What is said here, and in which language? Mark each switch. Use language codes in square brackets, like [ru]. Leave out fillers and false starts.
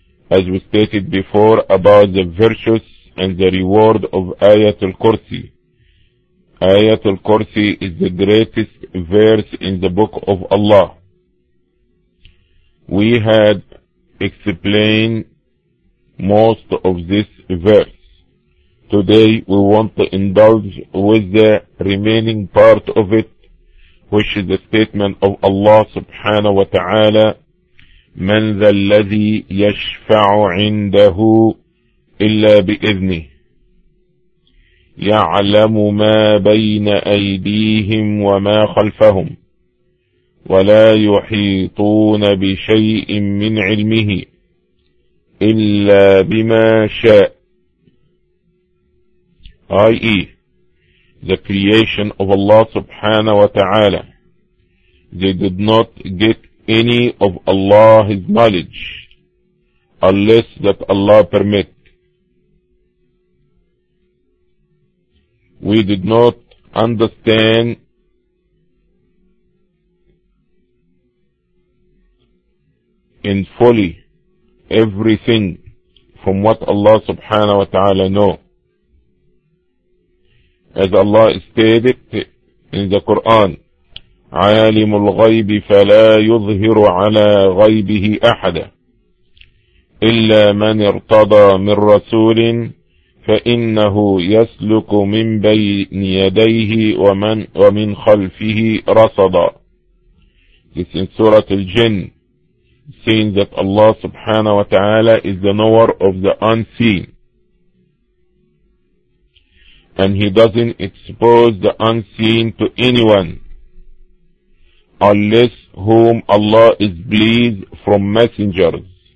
[en] As we stated before about the virtues and the reward of Ayatul Kursi. Ayatul Kursi is the greatest verse in the Book of Allah. We had explained most of this verse. Today we want to indulge with the remaining part of it, which is the statement of Allah subhanahu wa ta'ala, [ar] من ذا الذي يشفع عنده إلا بإذنه يعلم ما بين أيديهم وما خلفهم ولا يحيطون بشيء من علمه إلا بما شاء. [en] i.e. the creation of Allah subhanahu wa ta'ala, they did not get any of Allah's knowledge unless that Allah permit. We did not understand in fully everything from what Allah subhanahu wa ta'ala know. As Allah stated in the Quran, [ar] عالم الغيب فلا يظهر على غيبه أحد إلا من ارتضى من رسول فإنه يسلك من بين يديه ومن خلفه رصدا. [en] This is Surah Al-Jinn, saying that Allah subhanahu wa ta'ala is the knower of the unseen, and he doesn't expose the unseen to anyone unless whom Allah is pleased from messengers.